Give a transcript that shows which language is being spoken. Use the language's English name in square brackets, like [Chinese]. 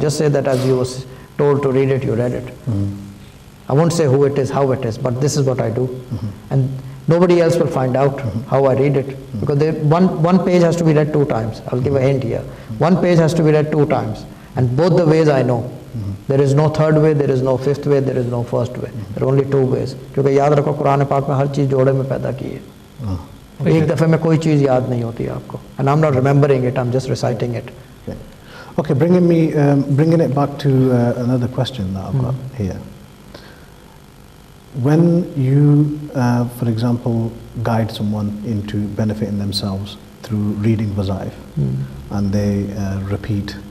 [English] Just say that as you was told to read it, you read it. Mm. I won't say who it is, how it is, but this is what I do. Mm-hmm. And nobody else will find out mm-hmm. how I read it. Mm. Because one page has to be read two times. I'll give a hint here. Mm. One page has to be read two times. And both the ways I know. There is no third way, there is no fifth way, there is no first way. Mm-hmm. There are only two ways. Because [Hindi] याद रखो कुरान पाक में हर चीज जोड़े में पैदा की है। एक दफे में कोई चीज याद नहीं होती आपको। [English] And I'm not remembering it. I'm just reciting it. Okay, bringing it back to another question that I've got here. When you, for example, guide someone into benefiting themselves through reading Wazaif, and they repeat.